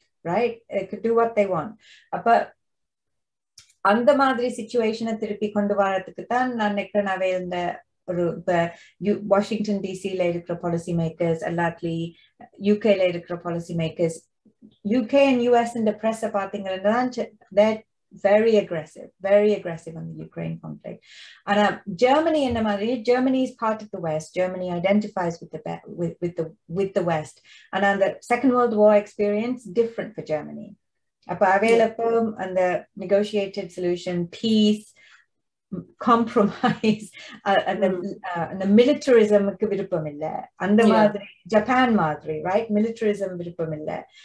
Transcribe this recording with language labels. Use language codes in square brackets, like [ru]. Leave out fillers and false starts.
[en] Right, to what they want. [ta] அப்ப அந்த மாதிரி சிச்சுவேஷனை திருப்பி கொண்டு வரதுக்கு தான் நான் நிக்கிறேன். அவை இந்த ஒரு வாஷிங்டன் டிசியில இருக்கிற பாலிசி மேக்கர்ஸ் எல்லாத்துலயும் யூகேல இருக்கிற policy makers UK and US இந்த பிரஸ் பாத்தீங்கன்னா [en] very aggressive on the Ukraine conflict. And Germany in the matter, Germany is part of the West. Germany identifies with the West. And the Second World War experience different for Germany. [ta] அப்போ அவைலப்பும் அந்த [en] negotiated solution, peace, compromise, [ta] அந்த மிலிட்டரிசமுக்கு விருப்பம் இல்லை. அந்த மாதிரி Japan மாதிரி, right, மிலிட்டரிசம் விருப்பம் இல்லை.